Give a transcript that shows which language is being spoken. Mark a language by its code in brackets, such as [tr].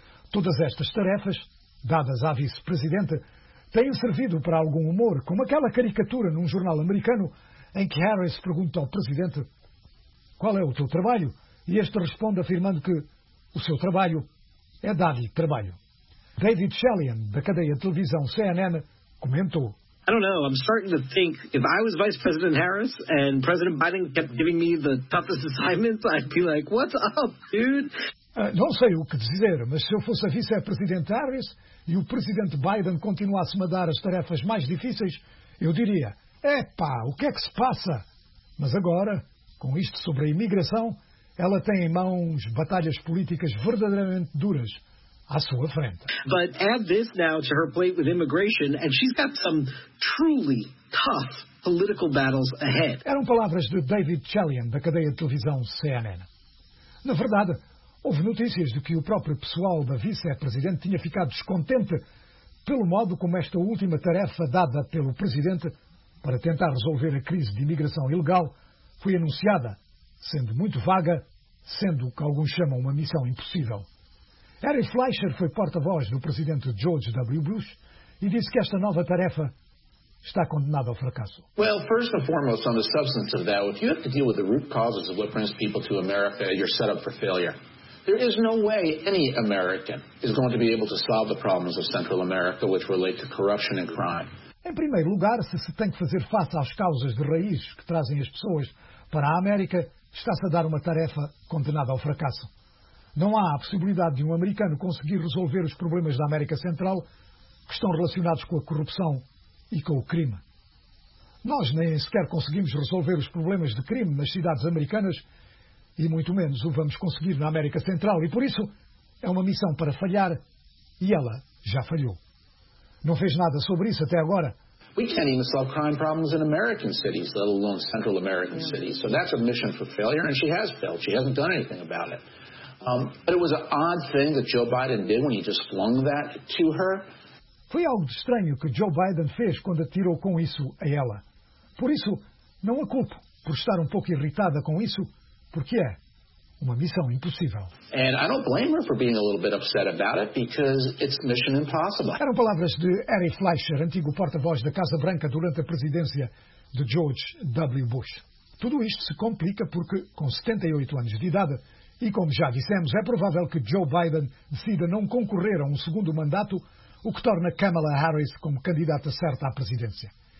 [pt] Todas estas tarefas, dadas à vice-presidente, têm servido para algum humor, como aquela caricatura num jornal americano em que Harris pergunta ao presidente: qual é o teu trabalho? E este responde afirmando que o seu trabalho é dar-lhe trabalho. David Shellian, da cadeia de televisão CNN, comentou: [en] I don't know. I'm starting to think if I was Vice President Harris and President Biden kept giving me the toughest assignments, I'd be like, what's up, dude? [pt] Não sei o que dizer, mas se eu fosse a vice-presidente Harris e o presidente Biden continuasse-me a dar as tarefas mais difíceis, eu diria: epá, o que é que se passa? Mas agora, com isto sobre a imigração, ela tem em mãos batalhas políticas verdadeiramente duras à sua frente. [en] But add this now to her plate with immigration, and she's got some truly tough political battles ahead. [pt] Eram palavras de David Chalian, da cadeia de televisão CNN. Na verdade, houve notícias de que o próprio pessoal da vice-presidente tinha ficado descontente pelo modo como esta última tarefa dada pelo presidente para tentar resolver a crise de imigração ilegal foi anunciada, sendo muito vaga, sendo o que alguns chamam uma missão impossível. Harry Fleischer foi porta-voz do presidente George W. Bush e disse que esta nova tarefa está condenada ao fracasso. [en] Well, first and foremost, on the substance of that, if you have to deal with the root causes of what brings people to America, you're set up for failure. There is no way any American is going to be able to solve the problems of Central America which relate to corruption and crime. [pt] Em primeiro lugar, se tem que fazer face às causas de raiz que trazem as pessoas para a América, está-se a dar uma tarefa condenada ao fracasso. Não há a possibilidade de um americano conseguir resolver os problemas da América Central que estão relacionados com a corrupção e com o crime. Nós nem sequer conseguimos resolver os problemas de crime nas cidades americanas e muito menos o vamos conseguir na América Central. E por isso é uma missão para falhar e ela já falhou. Não fez nada sobre isso até agora. [en] We can't even solve crime problems in American cities, let alone Central American cities. So that's a mission for failure, and she has failed. She hasn't done anything about it. But it was an odd thing that Joe Biden did when he just flung that to her. [pt] Foi algo de estranho que Joe Biden fez quando atirou com isso a ela. Por isso, não a culpo por estar um pouco irritada com isso, porque é uma missão impossível. [en] And I don't blame her for being a little bit upset about it, because it's mission impossible. [pt] Eram palavras de Harry Fleischer, antigo porta-voz da Casa Branca durante a presidência de George W. Bush. Tudo isto se complica porque, com 78 anos de idade, e como já dissemos, é provável que Joe Biden decida não concorrer a um segundo mandato, o que torna Kamala Harris como candidata certa à presidência.